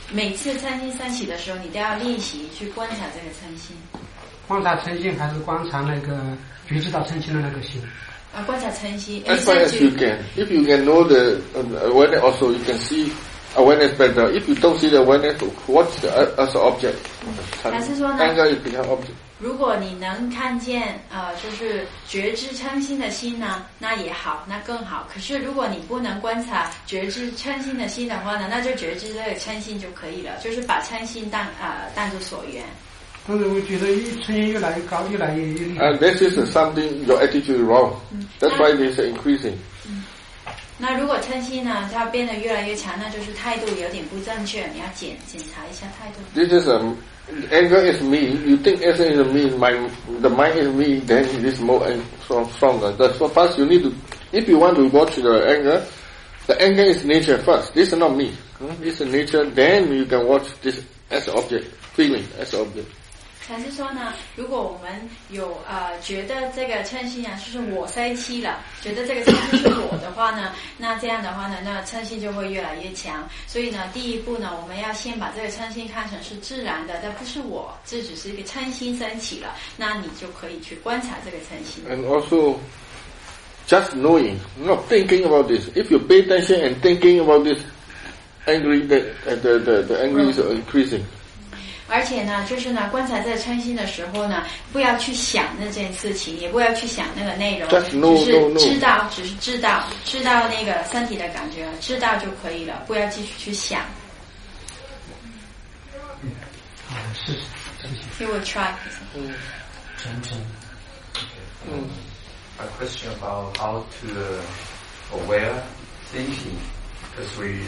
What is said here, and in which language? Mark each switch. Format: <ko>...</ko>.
<zh>每次嗔心升起的时候，你都要练习去观察这个嗔心。观察嗔心还是观察那个觉知到嗔心的那个心？啊，观察嗔心。</zh> <en>As far as you can, if you can know the awareness, also you can see awareness better. If you don't see the awareness, what's the as object?</en> <zh>还是说呢</zh> <en>？Anger is become object.</en> <zh>如果你能看见就是觉知嗔心的心呢，那也好，那更好。可是如果你不能观察觉知嗔心的心的话呢，那就觉知这个嗔心就可以了，就是把嗔心当作所缘。</zh> <en>This is something your attitude is wrong. That's why it's increasing.</en> <zh>那如果嗔心呢，它变得越来越强，那就是态度有点不正确，你要检查一下态度。</zh> <en>This is anger is me. You think anger is me, the mind is me, then it is more and stronger. That's what first you need to, if you want to watch the anger is nature first. This is not me. This is nature, then you can watch this as object, feeling as object.</en> <zh>禅师说呢，如果我们有觉得这个嗔心啊，就是我生气了，觉得这个嗔心是我的话呢，那这样的话呢，那嗔心就会越来越强。所以呢，第一步呢，我们要先把这个嗔心看成是自然的，但不是我，这只是一个嗔心生起了，那你就可以去观察这个嗔心。</zh> <en>And also, just knowing, not thinking about this. If you pay attention and thinking about this, angry the anger is increasing.</en> <zh>而且呢，就是呢，观察在嗔心的时候呢，不要去想那件事情，也不要去想那个内容，只是知道那个身体的感觉，知道就可以了，不要继续去想。好，谢谢。</zh> <en>He will try. A question about how to aware thinking, because we</en>